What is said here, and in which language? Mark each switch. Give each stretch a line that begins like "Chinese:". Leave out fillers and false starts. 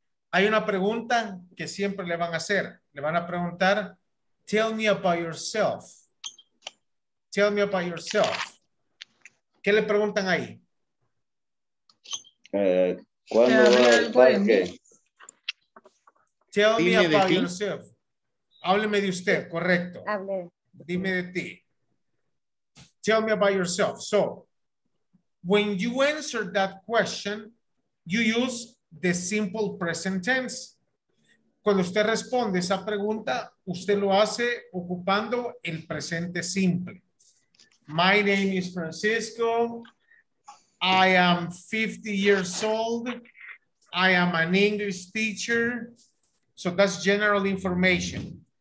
Spanish: Hay una pregunta que siempre le van a hacer. Le van a preguntar,
English: tell me about yourself. Tell me about yourself.
Spanish: ¿Qué le preguntan ahí? ¿Cuándo va al parque?
English: Tell me about yourself.
Spanish: Hábleme de usted, correcto. Hable. Dime de ti.
English: Tell me about yourself. So, when you answer that question, you use the simple present tense.
Spanish: Cuando usted responde esa pregunta, usted lo hace ocupando el presente simple.
English: My name is Francisco. I am 50 years old. I am an English teacher. So that's general information.